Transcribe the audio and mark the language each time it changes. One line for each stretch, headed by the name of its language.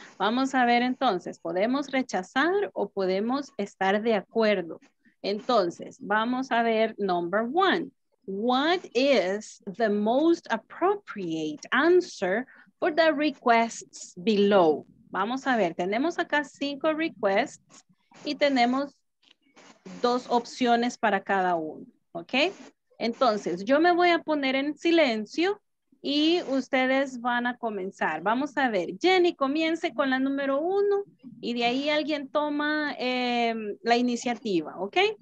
Spanish: Vamos a ver entonces, ¿podemos rechazar o podemos estar de acuerdo? Entonces, vamos a ver
English: number one. What is the most appropriate answer for the requests below?
Spanish: Vamos a ver, tenemos acá 5 requests y tenemos 2 opciones para cada uno, ¿ok? Entonces, yo me voy a poner en silencio y ustedes van a comenzar. Vamos a ver, Jenny, comience con la número 1 y de ahí alguien toma la iniciativa, ¿ok?